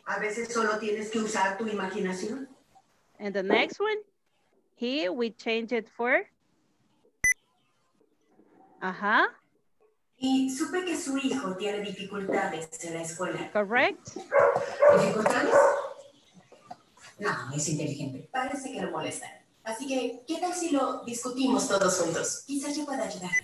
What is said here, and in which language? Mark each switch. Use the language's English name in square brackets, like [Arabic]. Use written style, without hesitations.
[Spanish] A veces solo tienes que usar tu imaginación. [English] And the next one, he, we change it for? Uh-huh. [Spanish] Y supe que su hijo tiene dificultades en la escuela. [English] Correct. [Spanish] ¿Dificultades? No, es inteligente. Parece que lo molesta. Así que, ¿qué tal si lo discutimos todos juntos? Quizás yo pueda ayudar.